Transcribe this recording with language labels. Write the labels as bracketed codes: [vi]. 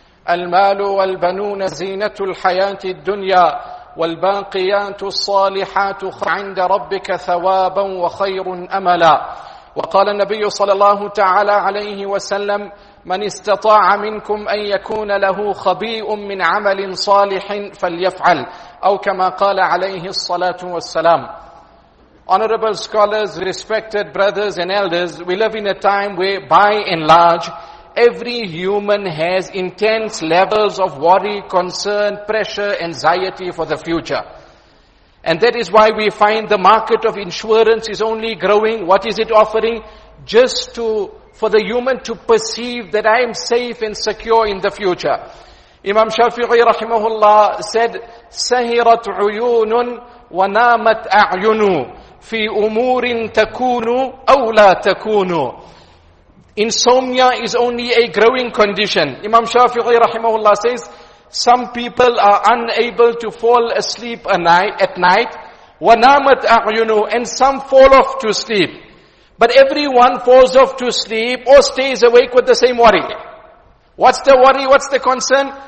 [ar] المال والبنون زينة الحياة الدنيا والباقيات الصالحات عند ربك ثوابا وخير أملا وقال النبي صلى الله تعالى عليه وسلم من استطاع منكم أن يكون له خبيء من عمل صالح فليفعل أو كما قال عليه الصلاة والسلام. [en] Honorable scholars, respected brothers and elders, we live in a time where by and large, every human has intense levels of worry, concern, pressure, anxiety for the future. And that is why we find the market of insurance is only growing. What is it offering? Just to for the human to perceive that I am safe and secure in the future. Imam Shafi'i rahimahullah said, [ar] سَهِرَتْ عُيُونٌ وَنَامَتْ أَعْيُنُ فِي أُمُورٍ تَكُونُ أَوْ لَا تَكُونُ. [en] Insomnia is only a growing condition. Imam Shafi'i rahimahullah says, some people are unable to fall asleep at night. [ar] وَنَامَتْ أَعْيُنُ [en] and some fall off to sleep. But everyone falls off to sleep or stays awake with the same worry. What's the worry? What's the concern?